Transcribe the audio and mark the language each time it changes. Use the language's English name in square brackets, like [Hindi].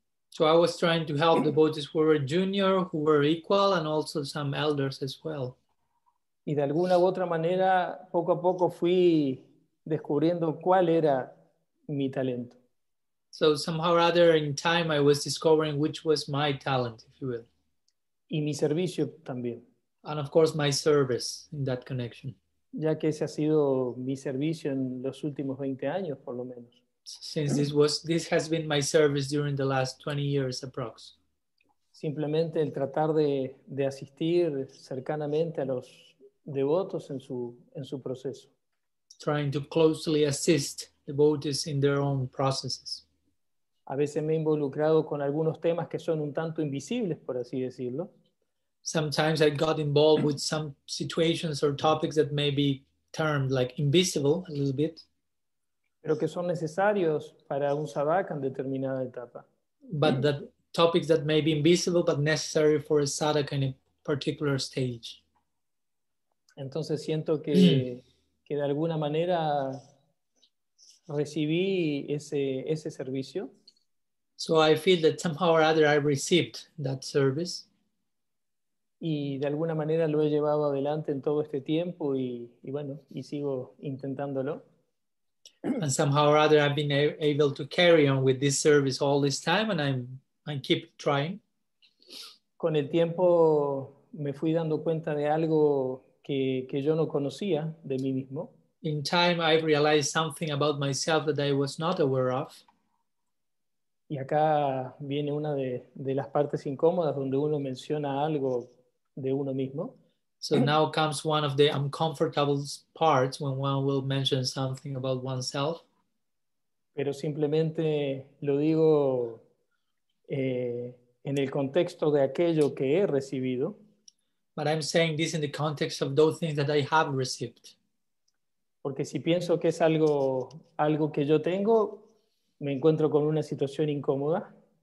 [English] So I was trying to help devotees who were junior, who were equal, and also some elders as well. [Spanish] Y de alguna u otra manera, poco a poco fui descubriendo cuál era mi talento. [English] So somehow or other in time I was discovering which was my talent, if you will. [Spanish] Y mi servicio también. [English] And of course my service in that connection. [Spanish] Ya que ese ha sido mi servicio en los últimos 20 años, por lo menos. [English] Since this has been my service during the last 20 years approx. [Spanish] Simplemente el tratar de asistir cercanamente a los devotos en su proceso. [English] Trying to closely assist devotees in their own processes. [Spanish] A veces me he involucrado con algunos temas que son un tanto invisibles, por así decirlo. [English] Sometimes I got involved with some situations or topics that may be termed like invisible a little bit. [Spanish] Pero que son necesarios para un sadhaka en determinada etapa. [English] But that topics that may be invisible but necessary for a sadhaka in a particular stage. [Spanish] Entonces siento que que de alguna manera recibí ese servicio. [English] So I feel that somehow or other I received that service. [Spanish] Y de alguna manera lo he llevado adelante en todo este tiempo y bueno, y sigo intentándolo. [English] And somehow or other I've been able to carry on with this service all this time and I keep trying. [Spanish] Con el tiempo me fui dando cuenta de algo que yo no conocía de mí mismo. [English] In time I realized something about myself that I was not aware of. [Spanish] Y acá viene una de las partes incómodas donde uno menciona algo de uno mismo. [English] So now comes one of the uncomfortable parts when one will mention something about oneself. [Spanish] Pero simplemente lo digo en el contexto de aquello que he recibido. [English] But I'm saying this in the context of those things that I have received. [Spanish] Porque si pienso que es algo que yo tengo, me encuentro con una situación incómoda.